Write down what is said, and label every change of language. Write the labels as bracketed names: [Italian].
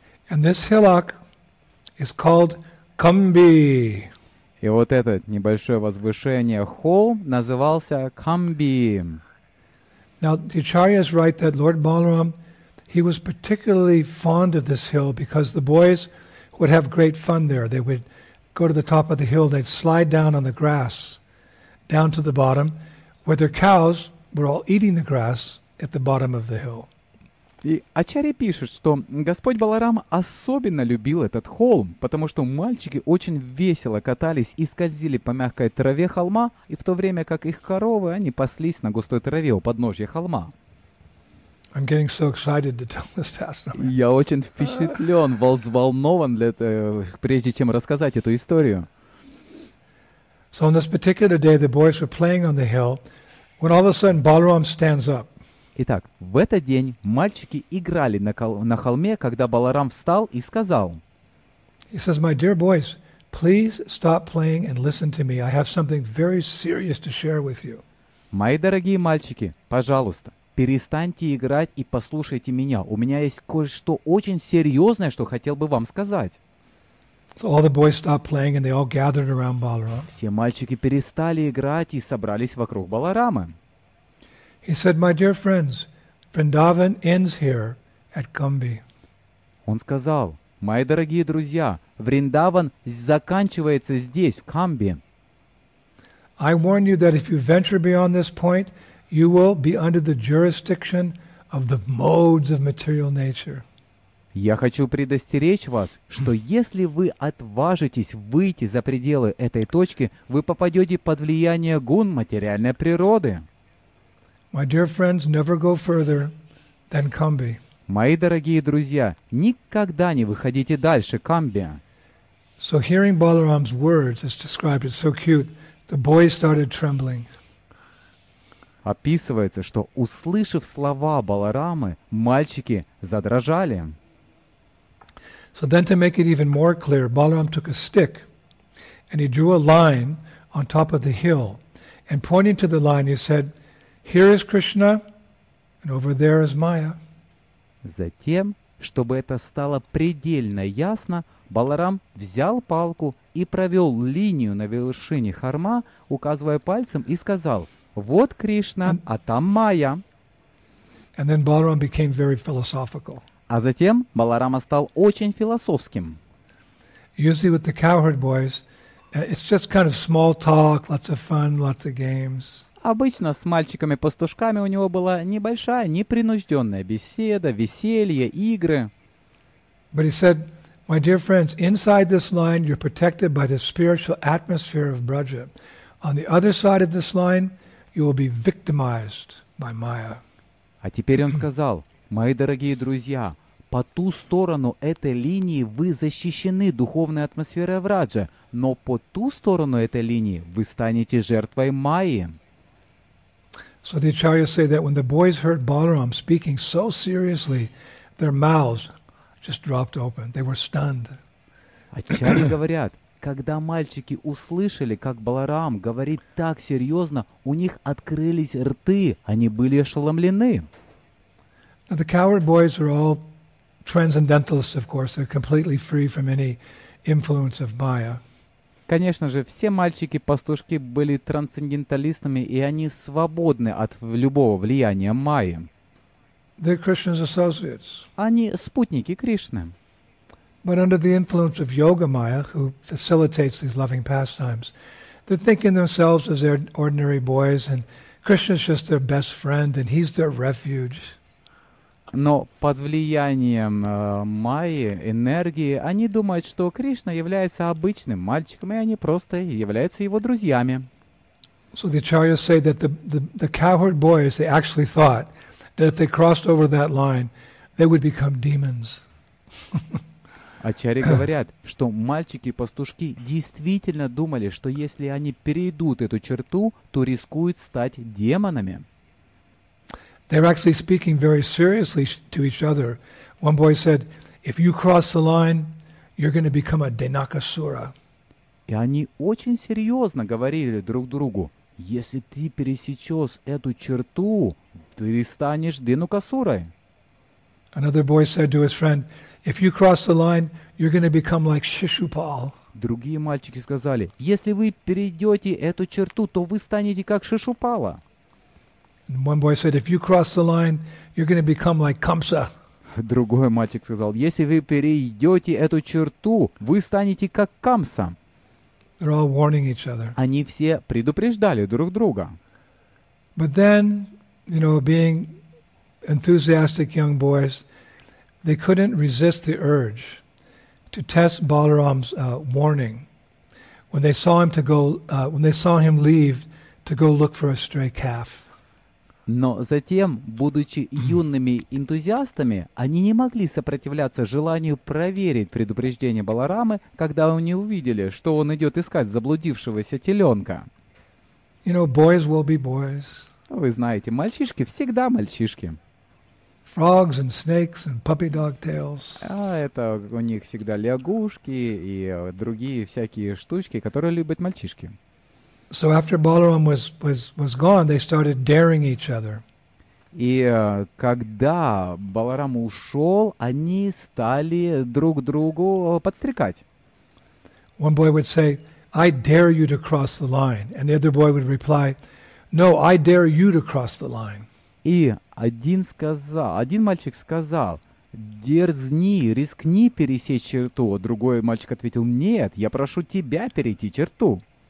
[English] And this hillock is called Kambi. [Russian] И вот это небольшое возвышение, холм, назывался Kambi. [English] Now, the acharyas write that Lord Balaram, he was particularly fond of this hill because the boys would have great fun there. They would go to the top of the hill, they'd slide down on the grass, down to the bottom, where their cows were all eating the grass at the bottom of the hill. [Russian] И Ачарья пишет, что Господь Баларам особенно любил этот холм, потому что мальчики очень весело катались и скользили по мягкой траве холма, и в то время как их коровы, они паслись на густой траве у подножья холма. [English] I'm getting so excited to tell this pastime. [Russian] Я очень впечатлен, взволнован, прежде чем рассказать эту историю. [English] So on this particular day the boys were playing on the hill, when all of a sudden Balaram stands up. [Russian] Итак, в этот день мальчики играли на холме, когда Баларам встал и сказал. [English] He says, "My dear boys, please stop playing and listen to me. I have something very serious to share with you." [Russian] Мои дорогие мальчики, пожалуйста, перестаньте играть и послушайте меня. У меня есть кое-что очень серьезное, что хотел бы вам сказать. [English] So all the boys stopped playing and they all gathered around Balaram. [Russian] Все мальчики перестали играть и собрались вокруг Баларамы. [English] He said, "My dear friends, Vrindavan ends here at Kambi." [Russian] Он сказал: "Мои дорогие друзья, Вриндаван заканчивается здесь, в Камби." [English] I warn you that if you venture beyond this point, you will be under the jurisdiction of the modes of material nature. [Russian] Я хочу предостеречь вас, что если вы отважитесь выйти за пределы этой точки, вы попадете под влияние гун материальной природы. [English] My dear friends, never go further than Kambi. [Russian] Мои дорогие друзья, никогда не выходите дальше Камби. [English] So hearing Balaram's words as described, it's so cute. The boys started trembling. [Russian] Описывается, что услышав слова Баларамы, мальчики задрожали. [English] So then to make it even more clear, Balaram took a stick and he drew a line on top of the hill, and pointing to the line, he said, "Here is Krishna, and over there is Maya." [Russian] Затем, чтобы это стало предельно ясно, Баларам взял палку и провел линию на вершине холма, указывая пальцем, и сказал: "Вот Кришна, а там Майя." [English] And then Balaram became very philosophical. [Russian] А затем Баларама стал очень философским. [English] Usually with the cowherd boys, it's just kind of small talk, lots of fun, lots of games. [Russian] Обычно с мальчиками-пастушками у него была небольшая, непринужденная беседа, веселье, игры. [English] But he said, "My dear friends, inside this line you're protected by the spiritual atmosphere of Braja. On the other side of this line you will be victimized by Maya." [Russian] А теперь он сказал: "Мои дорогие друзья, по ту сторону этой линии вы защищены духовной атмосферой Враджа, но по ту сторону этой линии вы станете жертвой Майи." [English] So the acharyas say that when the boys heard Balaram speaking so seriously, their mouths just dropped open. They were stunned. [Russian] Acharyas говорят, когда мальчики услышали, как Баларам говорит так серьезно, у них открылись рты, они были ошеломлены. [English] Now the coward boys are all transcendentalists, of course. They're completely free from any influence of Maya. [Russian] Конечно же, все мальчики-пастушки были трансценденталистами, и они свободны от любого влияния Майи. [English] They're Krishna's associates. [Russian] Они спутники Кришны. [English] But under the influence of Yoga Maya, who facilitates these loving pastimes, they're thinking themselves as their ordinary boys, and Krishna's just their best friend, and he's their refuge. [Russian] Но под влиянием майи, энергии, они думают, что Кришна является обычным мальчиком, и они просто являются его друзьями. [English] So the acharyas say that the cowherd boys, they actually thought that if they crossed over that line, they would become demons. [Russian] Ачари говорят, что мальчики-пастушки действительно думали, что если они перейдут эту черту, то рискуют стать демонами. [English] They're actually speaking very seriously to each other. One boy said, if you cross the line, you're going to become a Deinakasura. [Russian] И они очень серьезно говорили друг другу, если ты пересечешь эту черту, ты станешь Деинакасурой. [English] Another boy said to his friend, if you cross the line, you're going to become like Shishupal. [Russian] Другие мальчики сказали, если вы перейдете эту черту, то вы станете как Шишупала. [English] And one boy said, if you cross the line, you're going to become like Kamsa. [Russian] Другой мальчик сказал, если вы перейдете эту черту, вы станете как Камса. [English] They're all warning each other. [Russian] Они все предупреждали друг друга. [English] But then, you know, being enthusiastic young boys, they couldn't resist the urge to test Balaram's warning when they saw him to go when they saw him leave to go look for a stray calf. [Russian] Но затем, будучи юными энтузиастами, они не могли сопротивляться желанию проверить предупреждение Баларамы, когда они увидели, что он идет искать заблудившегося теленка. [English] You know, boys will be boys. [Russian] Вы знаете, мальчишки всегда мальчишки. [English] Frogs and snakes and puppy dog tails. [Russian] А это у них всегда лягушки и другие всякие штучки, которые любят мальчишки. [English] So after Balaram was gone, they started daring each other. [Russian] И когда Баларам ушел, они стали друг другу подстрекать. [English] One boy would say, "I dare you to cross the line," and the other boy would reply, "No, I dare you to cross the line." [Russian] И один мальчик сказал, "Дерзни, рискни пересечь черту." Другой мальчик ответил, "Нет, я прошу тебя перейти черту."